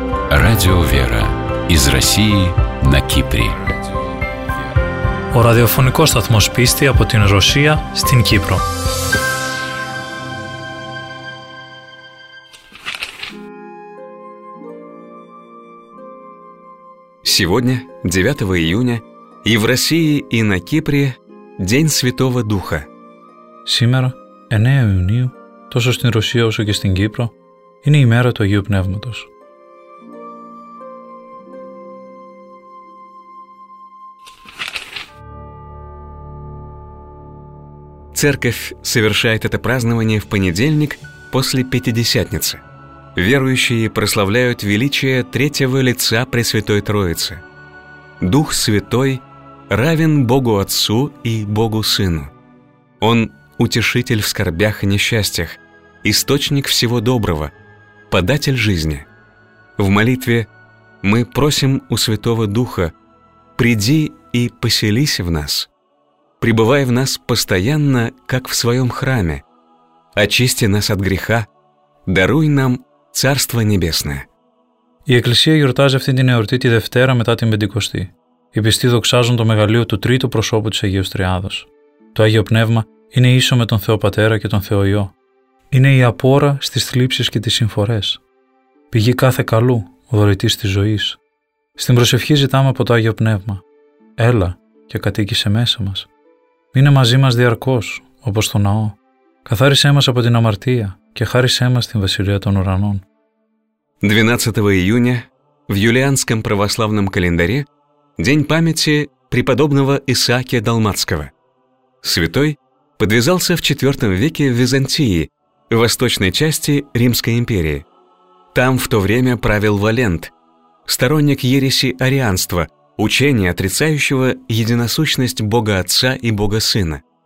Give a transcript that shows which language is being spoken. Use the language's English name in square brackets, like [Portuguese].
[Russian] Радио Вера из России на Кипре. [Greek] Ο ραδιοφωνικός σταθμός πίστη από την Ρωσία στην Κύπρο. [Russian] Сегодня, 9 июня, и в России, и на Кипре День Святого Духа. [Greek] Сήμερα, [Russian] 9 июня, [Greek] τόσο στην Ρωσία όσο και στην Κύπρο, είναι η μέρα του Αγίου Πνεύματος. [Russian] Церковь совершает это празднование в понедельник после Пятидесятницы. Верующие прославляют величие третьего лица Пресвятой Троицы. Дух Святой равен Богу Отцу и Богу Сыну. Он – утешитель в скорбях и несчастьях, источник всего доброго, податель жизни. В молитве мы просим у Святого Духа: «Приди и поселись в нас, пребывай в нас постоянно, как в своем храме, очисти нас от греха, даруй нам Царство Небесное». [Greek] Η Εκκλησία γιορτάζει αυτή την εορτή τη Δευτέρα μετά την Πεντηκοστή. Οι πιστοί δοξάζουν το μεγαλείο του τρίτου προσώπου της Αγίας Τριάδος. Το Άγιο Πνεύμα είναι ίσο με τον Θεό Πατέρα και τον Θεό Υιό. Είναι η απόρα στις θλίψεις και τις συμφορές. Πηγή κάθε καλού, δωρητής της ζωής. Στην προσευχή ζητάμε από το Άγιο Πνεύμα: «Έλα και κατοίκησε μέσα μας. Μείνε μαζί μας διαρκώς, όπως στο ναό. Καθάρισέ μας από την αμαρτία και χάρισέ μας την Βασιλεία των Ουρανών». [Russian] 12 июня в юлианском православном календаре день памяти преподобного Исаака Далмацкого. Святой подвязался в IV веке в Византии, в восточной части Римской империи. Там в то время правил Валент, сторонник ереси арианства, учения, отрицающего единосущность Бога Отца и Бога Сына.